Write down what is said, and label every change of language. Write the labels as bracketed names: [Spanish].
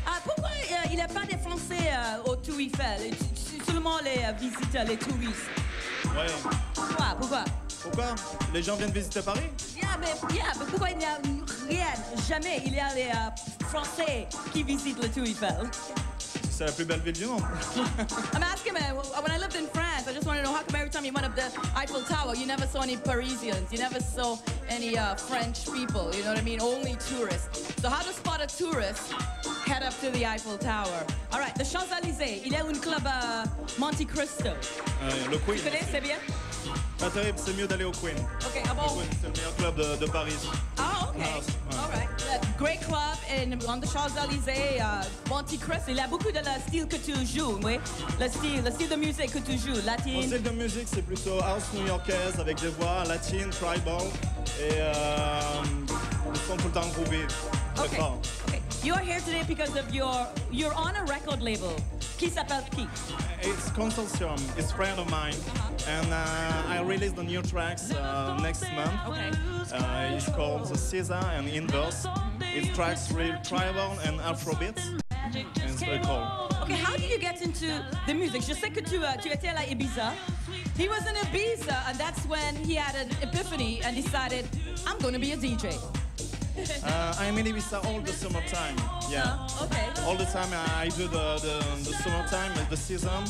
[French] Pourquoi il n'y a pas des Français au Tour Eiffel? Seulement les visiteurs, les touristes. Ouais. Pourquoi? Les gens viennent visiter Paris? Mais pourquoi il n'y a rien, jamais, il y a les Français qui visitent le Tour Eiffel? C'est la plus belle ville du monde. [English] I'm asking him, when I lived in France, I just wanted to know how come every time you went up the Eiffel Tower, you never saw any Parisians, you never saw any French people, you know what I mean? Only tourists. So how to spot a tourist, head up to the Eiffel Tower. All right, [French] the Champs-Élysées, il y a un club Monte Cristo. Le Queen. Tu connais, c'est bien? Pas terrible, c'est mieux d'aller au Queen. Okay, ah bon? Le Queen, c'est le meilleur club de Paris. [English] Ah, okay. [French] Ah, ouais. [English] All right. Great club in, on the Champs-Élysées, Monte Cristo. [French] Il y a beaucoup de la style que tu joues, oui? Le style de musique que tu joues, latine. Le style de musique, c'est plutôt house new-yorkaise avec des voix latines, tribal. Et nous sommes tout le temps groovy. [English] Okay. Okay. You are here today because of you're on a record label. [French] Qui s'appelle qui? [English] It's Consortium. It's a friend of mine. Uh-huh. And I released the new tracks next month. Okay. It's called the Caesar and Inverse. It's tracks real tribal and Afrobeats. And it's very cool. Okay, how did you get into the music? [French] Je sais que tu étais à la Ibiza. [English] He was in Ibiza, and that's when he had an epiphany and decided, I'm going to be a DJ. I'm in Ibiza all the summertime. Yeah. Okay. All the time I do the summertime, the season.